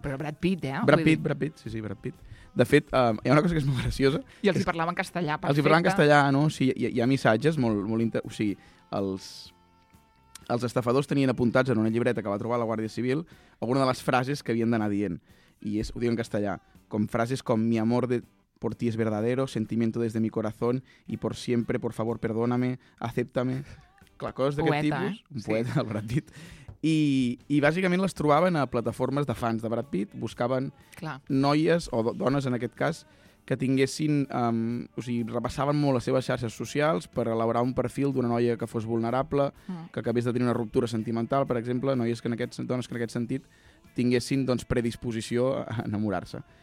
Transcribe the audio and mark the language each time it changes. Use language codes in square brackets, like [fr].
[ca] Però Brad Pitt, eh? Brad Pitt, sí, Brad Pitt. De fet, hi ha una cosa que és molt graciosa. I els hi parlava en castellà, perfecte. Els hi parlava en castellà, no? Sí, hi ha missatges molt, molt interessants, o sigui, els estafadors tenien apuntats en una llibreta que va trobar la Guàrdia Civil alguna de les frases que havien d'anar dient. Y es, ho diu en castellà, com frases com [es] mi amor de por ti es verdadero, sentimiento desde mi corazón y por siempre, por favor, perdóname, acéptame. [ca] Clar, coses d'aquest tipus. Un poeta, sí. El Brad Pitt. I bàsicament les trobaven a plataformes de fans de Brad Pitt, buscaven, clar, noies o dones, en aquest cas, que tinguessin, o sigui, repassaven molt les seves xarxes socials per elaborar un perfil d'una noia que fos vulnerable, que acabés de tenir una ruptura sentimental, per exemple, noies que en aquest, dones que en aquest sentit tinguessin, doncs, predisposició a enamorar-se.